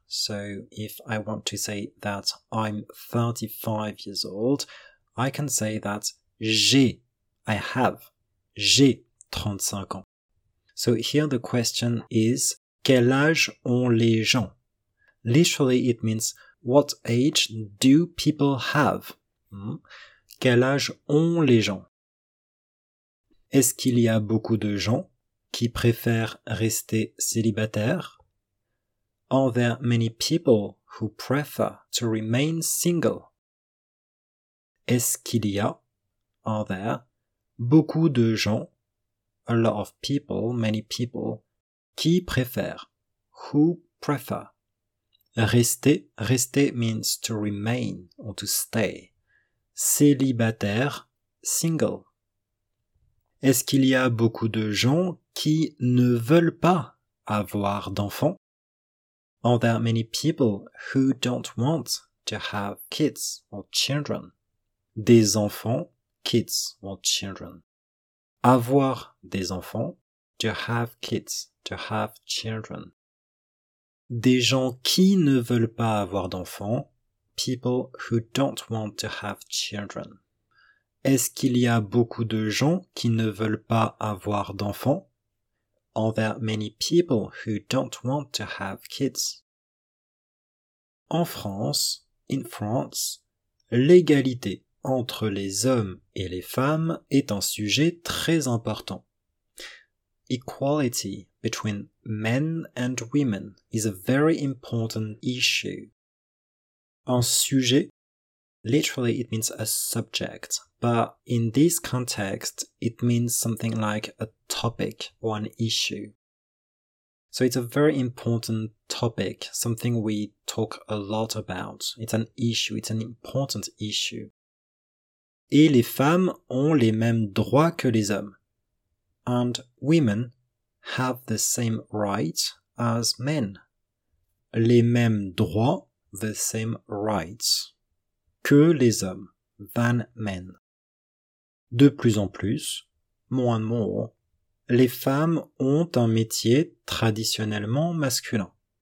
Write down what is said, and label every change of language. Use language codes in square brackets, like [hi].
[en] So if I want to say that I'm 35 years old, I can say that [fr] J'ai 35 ans. [en] So here the question is, [fr] quel âge ont les gens? [en] Literally it means, what age do people have? [fr] Quel âge ont les gens? Est-ce qu'il y a beaucoup de gens qui préfèrent rester célibataires? [en] Are there many people who prefer to remain single? [fr] Est-ce qu'il y a? [en] Are there [fr] beaucoup de gens, [en] a lot of people, many people, [fr] qui préfèrent, [en] who prefer? Rester means to remain or to stay. Célibataire, single. [fr] Est-ce qu'il y a beaucoup de gens qui ne veulent pas avoir d'enfants? [en] Are there many people who don't want to have kids or children? [fr] Des enfants. [en] Kids or children. [fr] Avoir des enfants. [en] To have kids. To have children. [fr] Des gens qui ne veulent pas avoir d'enfants. [en] People who don't want to have children. [fr] Est-ce qu'il y a beaucoup de gens qui ne veulent pas avoir d'enfants? [en] Are there many people who don't want to have kids? [fr] En France, [en] in France, [fr] l'égalité entre les hommes et les femmes est un sujet très important. [en] Equality between men and women is a very important issue. Un sujet, literally it means a subject, but in this context it means something like a topic or an issue. So it's a very important topic, something we talk a lot about. It's an issue, it's an important issue. [fr] Et les femmes ont les mêmes droits que les hommes. [en] And women have the same rights as men. [fr] Les mêmes droits, [en] the same rights, [fr] que les hommes, [en] than men. [fr] De plus en plus, [en] more and more, [fr] les femmes ont un métier traditionnellement masculin.